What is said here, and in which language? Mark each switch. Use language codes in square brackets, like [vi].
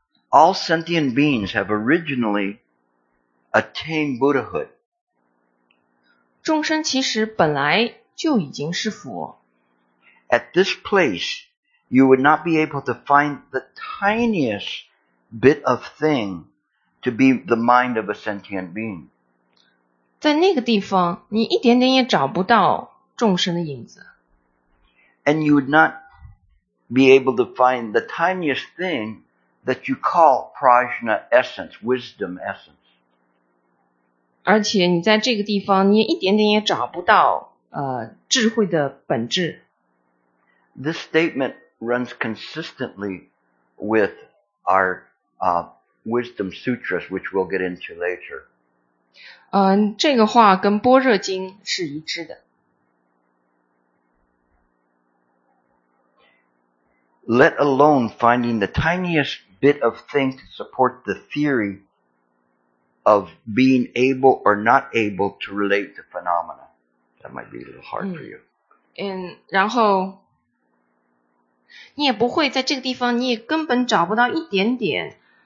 [en] all sentient beings have originally attained Buddhahood. [zh] 众生其实本来就已经是佛。 [en] At this place, you would not be able to find the tiniest bit of thing. To be the mind of a sentient being. [zh] 在那个地方，你一点点也找不到众生的影子。 [en] And you would not be able to find the tiniest thing that you call prajna essence, wisdom essence. [zh] 而且你在这个地方，你一点点也找不到智慧的本质。 [en] This statement runs consistently with our Wisdom Sutras, which we'll get into later. [zh] 这个话跟般若经是一致的。 [en] Let alone finding the tiniest bit of thing to support the theory of being able or not able to relate to phenomena. That might be a little hard for you. [zh] 然后你也不会在这个地方，你也根本找不到一点点。